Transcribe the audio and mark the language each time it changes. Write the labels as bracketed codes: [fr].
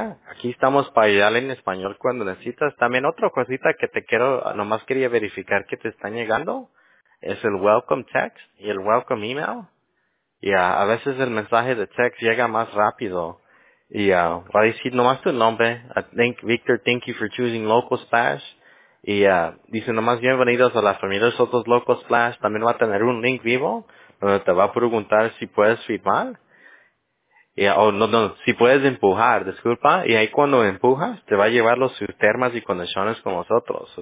[es] Aquí estamos para ayudarle en español cuando necesitas. También otra cosita que quería verificar que te están llegando es el welcome text y el welcome email. Yeah, a veces el mensaje de text llega más rápido. Yeah, voy a decir nomás tu nombre. [en] I think, Victor, thank you for choosing Local Splash. [es] Dice nomás bienvenidos a la familia de Sotos Local Splash. También va a tener un link vivo donde te va a preguntar si puedes firmar. Si puedes empujar, disculpa. Y ahí cuando empujas, te va a llevar los termas y condiciones con nosotros.